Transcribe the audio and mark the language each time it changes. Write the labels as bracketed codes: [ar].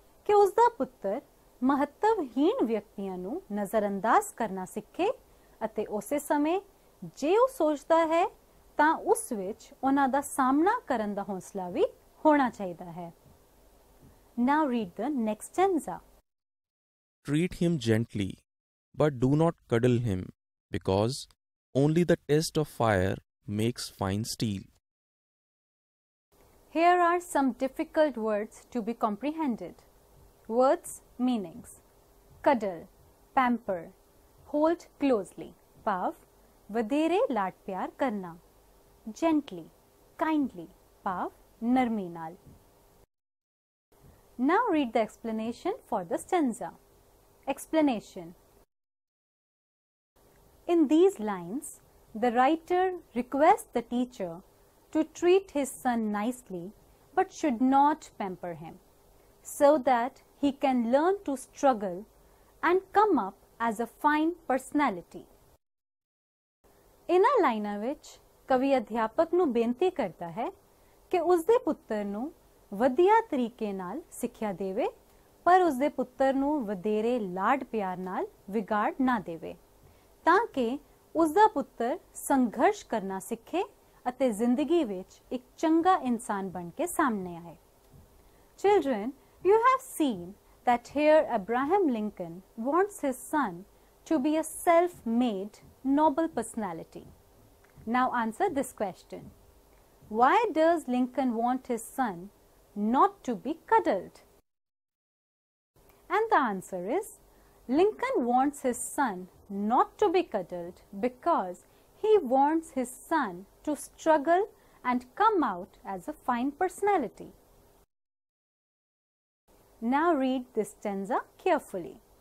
[pa] ਕਿ ਉਸ ਦਾ ਪੁੱਤਰ ਮਹੱਤਵਹੀਣ ਵਿਅਕਤੀਆਂ ਨੂੰ ਨਜ਼ਰਅੰਦਾਜ਼ ਕਰਨਾ ਸਿੱਖੇ ਅਤੇ ਉਸੇ ਸਮੇਂ ਜੇ ਉਹ ਸੋਚਦਾ ਹੈ ਤਾਂ ਉਸ ਵਿੱਚ ਉਹਨਾਂ ਦਾ ਸਾਹਮਣਾ ਕਰਨ ਦਾ ਹੌਸਲਾ ਵੀ ਹੋਣਾ ਚਾਹੀਦਾ ਹੈ। [en] Now read the next stanza. Treat him gently, but do not cuddle him, because only the test of fire makes fine steel. Here are some difficult words to be comprehended. Words, meanings. Cuddle, pamper, hold closely, pav, [pa] vadere laad pyar karna. [en] Gently, kindly, pav, [pa] narmi naal. [en] Now read the explanation for the stanza. Explanation. In these lines, the writer requests the teacher to treat his son nicely but should not pamper him so that he can learn to struggle and come up as a fine personality. [pa] Inna line vich kavi adhyapak nu benti karta hai ki usde puttar nu ਵਧੀਆ ਤਰੀਕੇ ਨਾਲ ਸਿੱਖਿਆ ਦੇਵੇ ਪਰ ਉਸਦੇ ਪੁੱਤਰ ਨੂੰ ਵਧੇਰੇ ਲਾਡ ਪਿਆਰ ਨਾਲ ਵਿਗਾੜ ਨਾ ਦੇਵੇ ਤਾਂ ਕਿ ਉਸਦਾ ਪੁੱਤਰ ਸੰਘਰਸ਼ ਕਰਨਾ ਸਿੱਖੇ ਅਤੇ ਜ਼ਿੰਦਗੀ ਵਿੱਚ ਇੱਕ ਚੰਗਾ ਇਨਸਾਨ ਬਣ ਕੇ ਸਾਹਮਣੇ ਆਏ। [en] Children, you have seen that here Abraham Lincoln wants his son to be a self made noble personality. Now answer this question, why does Lincoln want his son not to be cuddled? And the answer is, Lincoln wants his son not to be cuddled because he wants his son to struggle and come out as a fine personality. Now read this stanza carefully.